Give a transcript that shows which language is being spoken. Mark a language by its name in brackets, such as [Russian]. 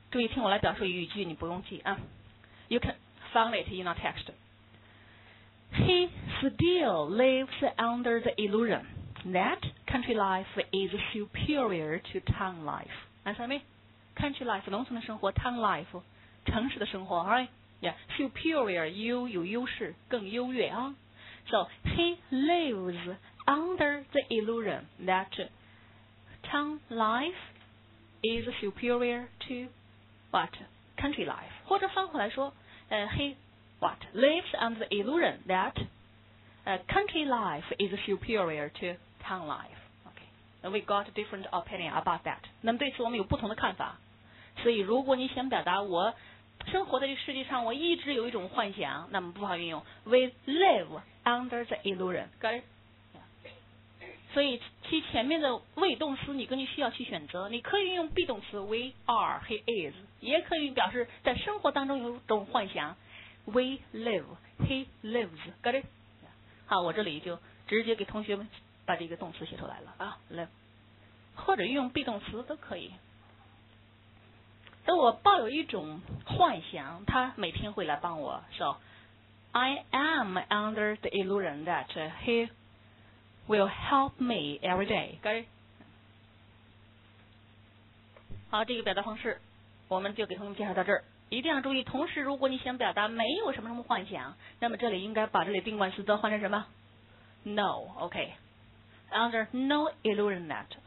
[Chinese] 注意听我来表述语句，你不用记啊。 [English] You can find it in our text. He still lives under the illusion that country life is superior to town life. Understand me? Country life, [Chinese] 农村的生活 [English] ,town life, [Chinese] 城市的生活 [English] ,right? Yeah, superior, [Chinese] 有优势，更优越啊。 [English] So, he lives under the illusion that town life is superior to what? Country life. [Chinese] 或者翻回来说 [English] he what? Lives under the illusion that country life is superior to town life. Okay. And we got a different opinion about that. [Chinese] 那么对此我们有不同的看法。所以如果你想表达我生活在这个世界上，我一直有一种幻想，那么不好运用。 [English] We live under the illusion. Got it?、Yeah. [Chinese] 所以其前面的谓动词，你根据需要去选择。你可以用 be 动词 [English] we are, he is， [Chinese] 也可以表示在生活当中有一种幻想。 [English] We live, he lives. Got it?、Yeah. [Chinese] 好，我这里就直接给同学们把这个动词写出来了啊 ，live， 或者运用 be 动词都可以。所以我抱有一种幻想，他每天会来帮我。 [English] So, I am under the illusion that he will help me every day. Got it? [Chinese] 好，这个表达方式我们就给同学们介绍到这儿。一定要注意，同时如果你想表达没有什么什么幻想，那么这里应该把这里定冠词都换成什么 ？ [English] No, OK. Under no illusion that.